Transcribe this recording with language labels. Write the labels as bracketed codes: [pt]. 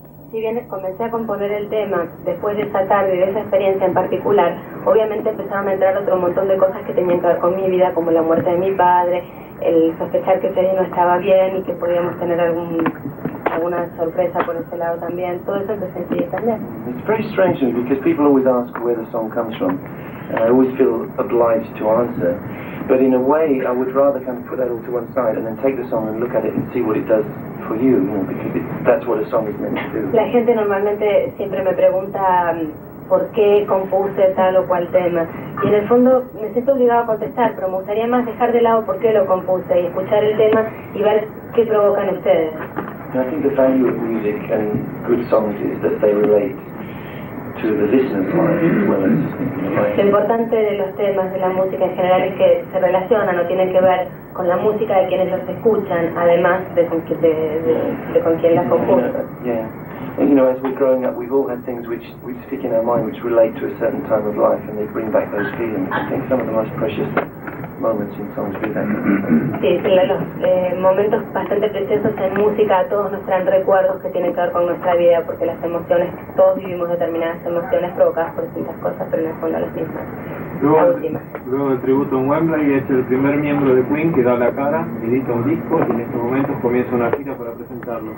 [es] Si bien comencé a componer el tema después de esa tarde y de esa experiencia en particular, obviamente empezaban a entrar otro montón de cosas que tenían que ver con mi vida, como la muerte de mi padre, el sospechar que Freddy no estaba bien y que podíamos tener algún una sorpresa por ese lado también. Todo eso lo sentí también. [en] It's very strange to me because people always ask where the song comes from, and I always feel obliged to answer. But in a way, I would rather kind of put that all to one side and then take the song and look at it and see what it does for you, you know, because that's what a song is meant to do. [es] La gente normalmente siempre me pregunta por qué compuse tal o cual tema. Y en el fondo me siento obligado a contestar, pero me gustaría más dejar de lado por qué lo compuse y escuchar el tema y ver qué provocan ustedes. [en] I think the value of music and good songs is that they relate to the listener's life as well as [es] lo importante de los temas de la música en general es que se relacionan, no tienen que ver con la música de quienes los escuchan, además de con quien las compuso. [en] And, you know, as we're growing up, we've all had things which stick in our mind, which relate to a certain time of life, and they bring back those feelings. I think some of the most precious moments in songs do that. [es] Sí, claro. Momentos bastante preciosos en música todos nos traen recuerdos que tienen que ver con nuestra vida, porque las emociones, todos vivimos determinadas emociones provocadas por distintas cosas, pero en el fondo las mismas. Luego del tributo en Wembley, es el primer miembro de Queen que da la cara, edita un disco y en estos momentos comienza una gira para presentarlo.